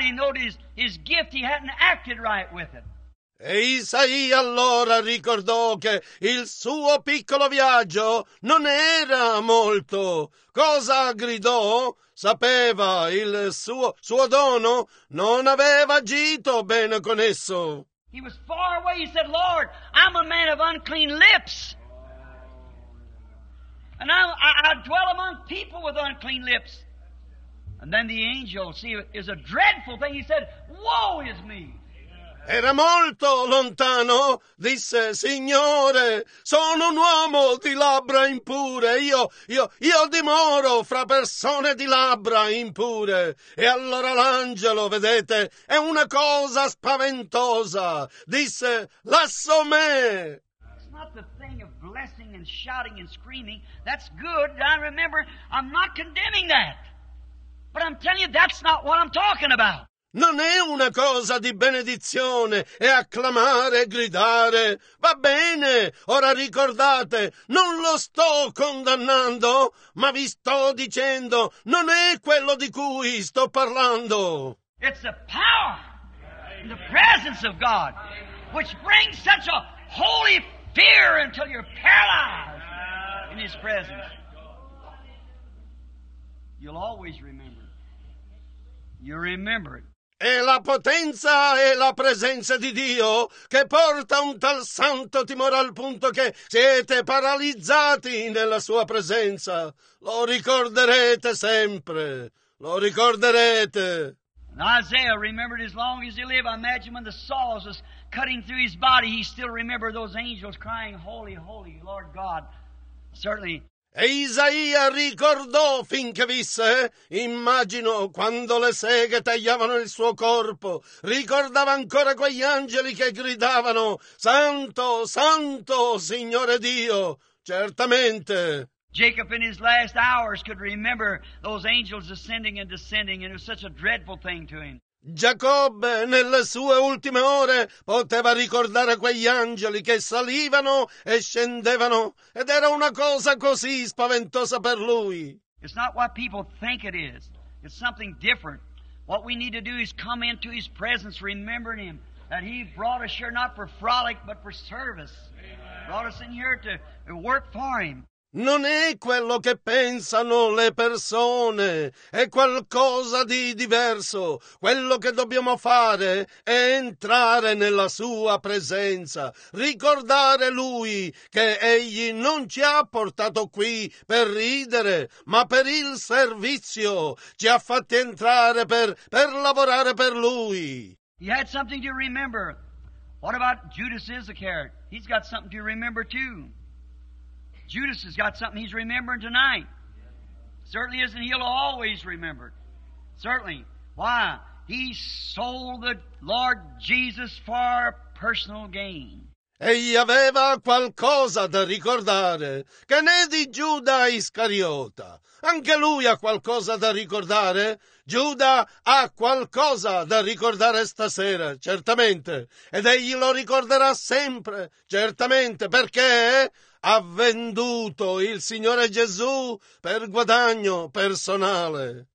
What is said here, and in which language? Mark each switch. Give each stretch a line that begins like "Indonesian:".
English: He noticed his gift, he hadn't acted right with it.
Italian: E Isaia allora ricordò che il suo piccolo viaggio non era molto. Cosa gridò? Sapeva il suo dono, non aveva agito bene con esso.
English: He was far away. He said, "Lord, I'm a man of unclean lips. And I dwell among people with unclean lips." And then the angel, see, is a dreadful thing. He said, "Woe is me."
Italian: Era molto lontano, disse, "Signore, sono un uomo di labbra impure, io dimoro fra persone di labbra impure." E allora l'angelo, vedete, è una cosa spaventosa, disse, "Lasso me."
English: It's not the thing of blessing and shouting and screaming. That's good. I remember, I'm not condemning that. But I'm telling you, that's not what I'm talking about.
Italian: Non è una cosa di benedizione e acclamare e gridare. Va bene, ora ricordate, non lo sto condannando, ma vi sto dicendo, non è quello di cui sto parlando.
English: It's the power and the presence of God which brings such a holy fear until you're paralyzed in His presence. You'll always remember. You remember it.
Italian: È la potenza e la presenza di Dio che porta un tal santo timore al punto che siete paralizzati nella sua presenza. Lo ricorderete sempre. Lo ricorderete.
English: And Isaiah remembered as long as he lived. I imagine when the saws was cutting through his body, he still remembered those angels crying, "Holy, holy, Lord God." Certainly.
Italian: E Isaia ricordò finché visse, immagino quando le seghe tagliavano il suo corpo, ricordava ancora quegli angeli che gridavano, "Santo, santo, Signore Dio!" Certamente.
English: Jacob in his last hours could remember those angels ascending and descending, and it was such a dreadful thing to him.
Italian: Giacobbe nelle sue ultime ore poteva ricordare quegli angeli che salivano e scendevano ed era una cosa così spaventosa per lui.
English: It's not what people think it is. It's something different. What we need to do is come into his presence, remembering him, that he brought us here not for frolic but for service. Amen. Brought us in here to work for him.
Italian: Non è quello che pensano le persone, è qualcosa di diverso. Quello che dobbiamo fare è entrare nella sua presenza, ricordare lui che egli non ci ha portato qui per ridere, ma per il servizio. Ci ha fatti entrare per lavorare per lui.
English: He had something to remember. What about Judas Iscariot? He's got something to remember too. Judas has got something he's remembering tonight. Certainly isn't he'll always remember. Certainly. Why? He sold the Lord Jesus for personal gain.
Italian: Egli aveva qualcosa da ricordare. Che ne è di Giuda Iscariota? Anche lui ha qualcosa da ricordare? Giuda ha qualcosa da ricordare stasera, certamente. Ed egli lo ricorderà sempre, certamente, perché ha venduto il Signore Gesù per guadagno personale.